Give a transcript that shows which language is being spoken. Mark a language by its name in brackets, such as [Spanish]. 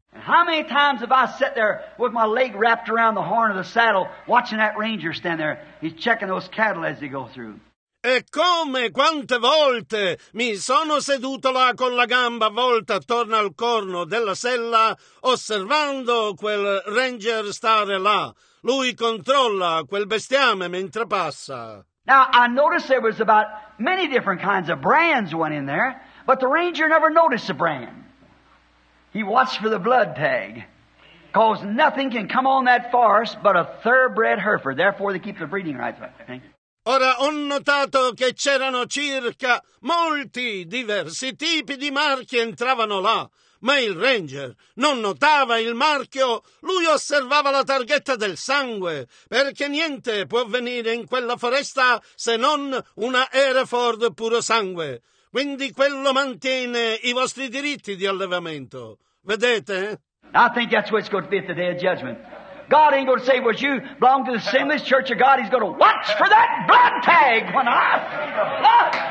[English] And how many times have I sat there with my leg wrapped around the horn of the saddle watching that ranger stand there? He's checking those cattle as they go through. [Italian] E come, quante volte mi sono seduto là con la gamba volta attorno al corno della sella osservando quel ranger stare là. Lui controlla quel bestiame mentre passa. [English] Now, I noticed there was about many different kinds of brands went in there, but the ranger never noticed the brand. He watched for the blood tag, because nothing can come on that forest but a thoroughbred Hereford, therefore they keep the breeding rights. Okay? [Italian] Ora, ho notato che c'erano circa molti diversi tipi di marchi entravano là, ma il ranger non notava il marchio, lui osservava la targhetta del sangue, perché niente può venire in quella foresta se non una Hereford puro sangue. Quindi quello mantiene i vostri diritti di allevamento. Vedete? [English] I think that's what's going to be at the day of judgment. God ain't going to say, was you belong to the sinless church of God? He's going to watch for that blood tag when I...